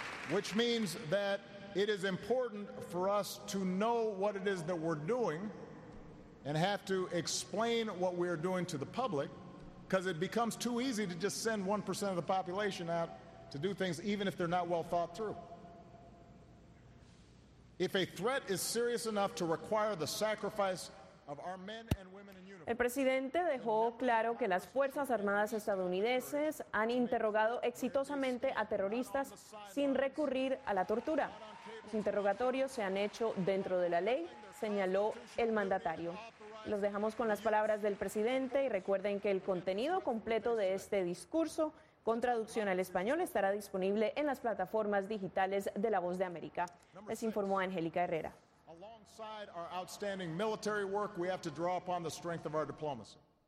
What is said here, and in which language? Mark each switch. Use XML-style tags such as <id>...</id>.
<en>Which means that it is important for us to know what it is that we're doing and have to explain what we're doing to the public, because it becomes too easy to just send 1% of the population out to do things even if they're not well thought through. If a threat is serious enough to require the sacrifice of our men and women in uniform.</en> <es>El presidente dejó claro que las Fuerzas Armadas estadounidenses han interrogado exitosamente a terroristas sin recurrir a la tortura. Los interrogatorios se han hecho dentro de la ley, señaló el mandatario. Los dejamos con las palabras del presidente y recuerden que el contenido completo de este discurso con traducción al español estará disponible en las plataformas digitales de La Voz de América. Les informó Angélica Herrera.</es> <en>Alongside our outstanding military work, we have to draw upon the strength of our diplomacy.</en>